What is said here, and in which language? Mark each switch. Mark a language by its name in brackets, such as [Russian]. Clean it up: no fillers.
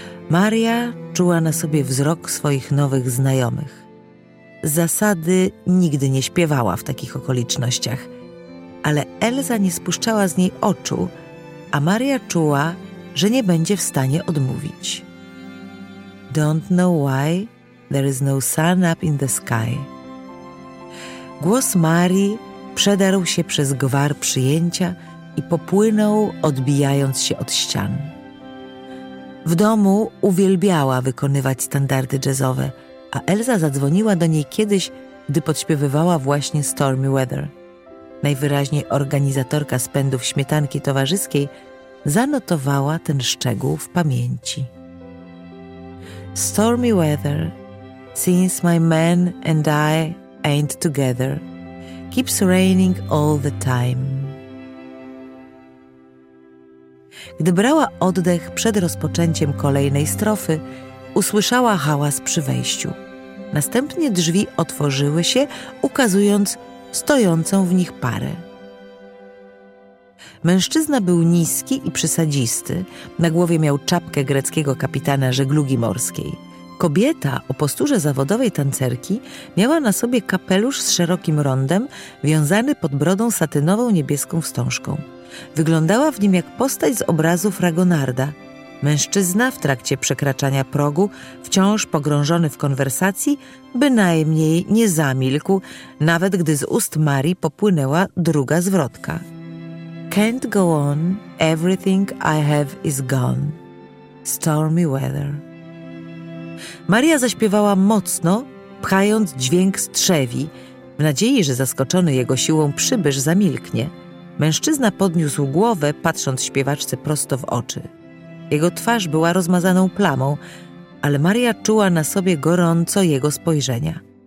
[Polish] Maria czuła na sobie wzrok swoich nowych znajomych. Z zasady nigdy nie śpiewała w takich okolicznościach, ale Elza nie spuszczała z niej oczu, a Maria czuła, że nie będzie w stanie odmówić. [English] Don't know why there is no sun up in the sky. [Polish] Głos Marii przedarł się przez gwar przyjęcia i popłynął, odbijając się od ścian. W domu uwielbiała wykonywać standardy jazzowe, a Elza zadzwoniła do niej kiedyś, gdy podśpiewywała właśnie Stormy Weather. Najwyraźniej organizatorka spędów śmietanki towarzyskiej zanotowała ten szczegół w pamięci. [English] Stormy weather, since my man and I ain't together, keeps raining all the time. [Polish] Gdy brała oddech przed rozpoczęciem kolejnej strofy, usłyszała hałas przy wejściu. Następnie drzwi otworzyły się, ukazując stojącą w nich parę. Mężczyzna był niski i przysadzisty, na głowie miał czapkę greckiego kapitana żeglugi morskiej. Kobieta o posturze zawodowej tancerki miała na sobie kapelusz z szerokim rondem, wiązany pod brodą satynową niebieską wstążką. Wyglądała w nim jak postać z obrazu Fragonarda. Mężczyzna w trakcie przekraczania progu, wciąż pogrążony w konwersacji, bynajmniej nie zamilkł, nawet gdy z ust Marii popłynęła druga zwrotka. [English] Can't go on, everything I have is gone. Stormy weather. [Polish] Maria zaśpiewała mocno, pchając dźwięk strzewi, w nadziei, że zaskoczony jego siłą przybysz zamilknie. Mężczyzna podniósł głowę, patrząc śpiewaczce prosto w oczy. Jego twarz była rozmazaną plamą, ale Maria czuła na sobie gorąco jego spojrzenia.